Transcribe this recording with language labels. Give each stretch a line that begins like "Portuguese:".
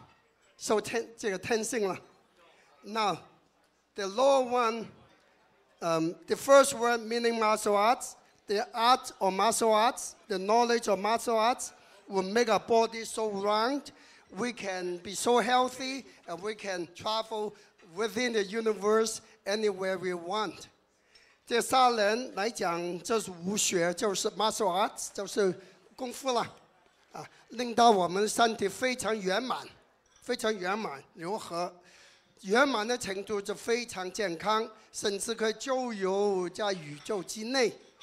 Chinese: 那第一句话来讲呢，就是我们用禅修，把我们的心、我们的性都变成非常好、非常宁静。结果呢，我们就能与天堂通话，受天这个天性了。
English: Now, the lower one, the first word meaning martial arts. The art of martial arts, the knowledge of martial arts will make our body so round, we can be so healthy, and we can travel within the universe anywhere we want.
Chinese: 第三人来讲就是武学，就是 martial arts, 就是功夫了，令到我们身体非常圆满，非常圆满，柔和，圆满的程度就非常健康，甚至可以周游在宇宙之内。